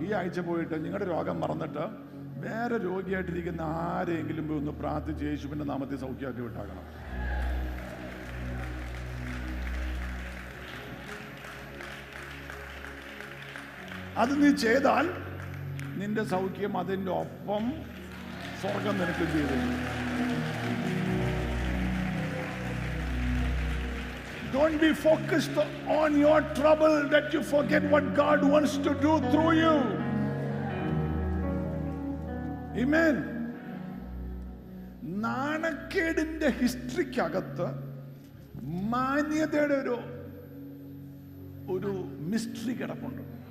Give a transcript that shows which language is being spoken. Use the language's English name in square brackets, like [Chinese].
[Malayalam] ഈ ആഴ്ച പോയിട്ട് നിങ്ങളുടെ രോഗം മറന്നിട്ട് വേറെ രോഗിയായിട്ടിരിക്കുന്ന ആരെങ്കിലും പോയി ഒന്ന് പ്രാർത്ഥിച്ച് യേശുവിൻ്റെ നാമത്തിൽ സൗഖ്യമാക്കി വിട്ടാക്കണം. അത് നീ ചെയ്താൽ നിന്റെ സൗഖ്യം അതിൻ്റെ ഒപ്പം സ്വർഗം നിനക്ക് ചെയ്തു. [English] Don't be focused on your trouble that you forget what God wants to do through you. [Malayalam] ആമേൻ. നാണക്കേടിന്റെ ഹിസ്റ്ററിക്കകത്ത് മാന്യതയുടെ ഒരു ഒരു മിസ്റ്ററി കിടപ്പുണ്ട്.